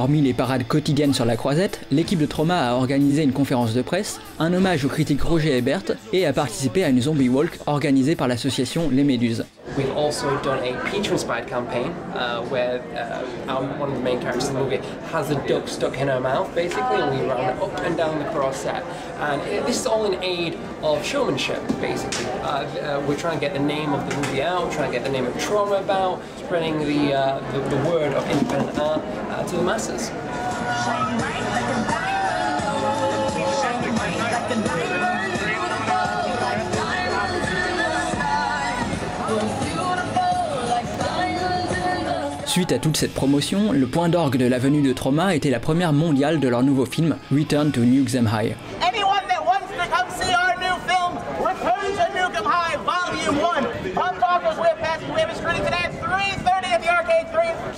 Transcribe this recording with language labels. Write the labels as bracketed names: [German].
[French] Hormis les parades quotidiennes sur la croisette, l'équipe de Trauma a organisé une conférence de presse, un hommage au critique Roger Ebert et a participé à une zombie walk organisée par l'association Les Méduses. [English] We've also done a peach-inspired campaign where one of the main characters in the movie has a duck stuck in her mouth, basically, and we run up and down the cross set. And this is all in aid of showmanship, basically. We're trying to get the name of the movie out, trying to get the name of Trauma about, spreading the word of independent art to the masses. [French] Suite à toute cette promotion, le point d'orgue de la venue de Trauma était la première mondiale de leur nouveau film Return to Nukem High. [English] Anyone that wants to come see our new film Return to Nukem High Volume 1, Pumpkins, we have passed, we have a screening today at 3:30 at the Arcade 3.